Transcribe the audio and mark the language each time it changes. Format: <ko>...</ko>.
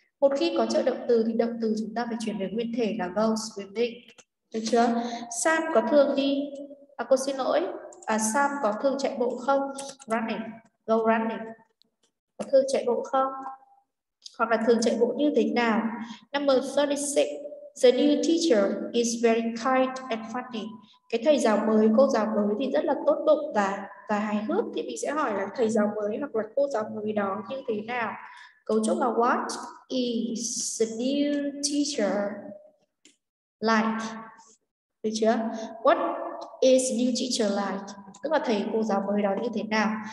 <vi>Một khi có trợ động từ thì động từ chúng ta phải chuyển về nguyên thể là go swimming. Được chưa? Sam có thường đi, cô xin lỗi, Sam có thường chạy bộ không?</vi> <en>Running, go running.</en> <vi>Có thường chạy bộ không? Hoặc là thường chạy bộ như thế nào?</vi> <en>Number 36, the new teacher is very kind and funny.</en> <vi>Cái thầy giáo mới, cô giáo mới thì rất là tốt bụng và hài hước. Thì mình sẽ hỏi là thầy giáo mới hoặc là cô giáo mới đó như thế nào? Cấu trúc là</vi> <en>what is the new teacher like?</en> <vi>Được chưa?</vi> <en>What is new teacher like?</en> <vi>Tức là thầy cô giáo mới đó như thế nào?</vi>